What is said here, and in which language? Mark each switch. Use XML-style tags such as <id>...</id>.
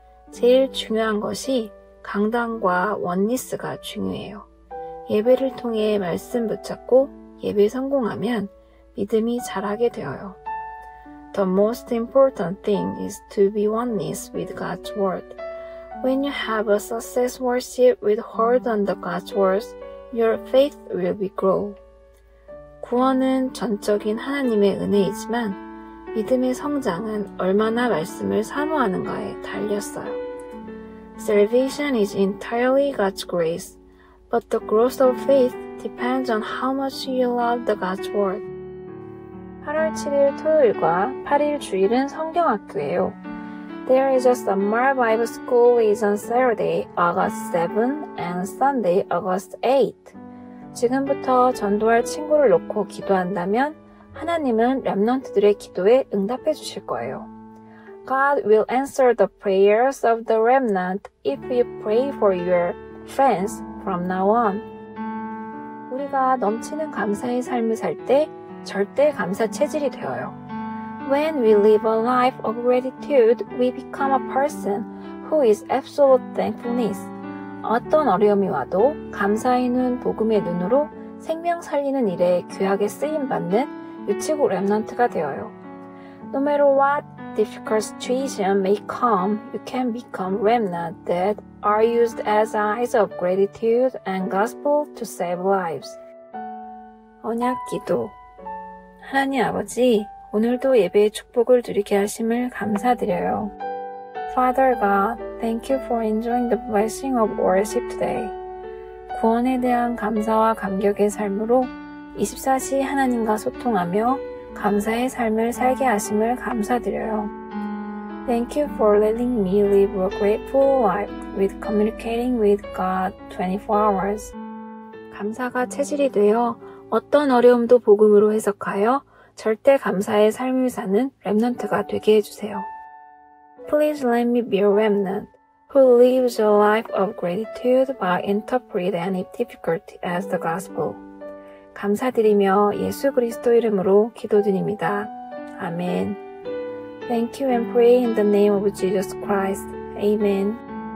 <ko>제일 중요한 것이 강단과 원리스가 중요해요. 예배를 통해 말씀 붙잡고 예배 성공하면 믿음이 자라게 되어요.</ko> <en>The most important thing is to be oneness with God's word. When you have a success worship with heart under God's word, your faith will be grow.</en> <ko>구원은 전적인 하나님의 은혜이지만 믿음의 성장은 얼마나 말씀을 사모하는가에 달렸어요.</ko> <en>Salvation is entirely God's grace, but the growth of faith depends on how much you love the God's word.</en> <ko>8월 7일 토요일과 8일 주일은 성경학교예요.</ko> <en>There is a summer Bible school is on Saturday, August 7 and Sunday, August 8.</en> <ko>지금부터 전도할 친구를 놓고 기도한다면 하나님은 렘넌트들의 기도에 응답해 주실 거예요.</ko> <en>God will answer the prayers of the remnant if you pray for your friends from now on.</en> <ko>우리가 넘치는 감사의 삶을 살 때 절대 감사 체질이 되어요.</ko> <en>When we live a life of gratitude, we become a person who is absolute thankfulness.</en> <ko>어떤 어려움이 와도 감사의 눈, 복음의 눈으로 생명 살리는 일에 귀하게 쓰임받는 유치구 렘넌트가 되어요.</ko> <en>No matter what difficult situation may come, you can become remnant that are used as eyes of gratitude and gospel to save lives.</en> <ko>언약 기도. 하나님 아버지, 오늘도 예배의 축복을 누리게 하심을 감사드려요.</ko> <en>Father God, thank you for enjoying the blessing of worship today.</en> <ko>구원에 대한 감사와 감격의 삶으로 24시 하나님과 소통하며 감사의 삶을 살게 하심을 감사드려요.</ko> <en>Thank you for letting me live a grateful life with communicating with God 24 hours.</en> <ko>감사가 체질이 되어 어떤 어려움도 복음으로 해석하여 절대 감사의 삶을 사는 렘넌트가 되게 해주세요.</ko> <en>Please let me be a remnant who lives a life of gratitude by interpreting any difficulty as the gospel.</en> <ko>감사드리며 예수 그리스도 이름으로 기도드립니다. 아멘.</ko> <en>Thank you and pray in the name of Jesus Christ. Amen.</en>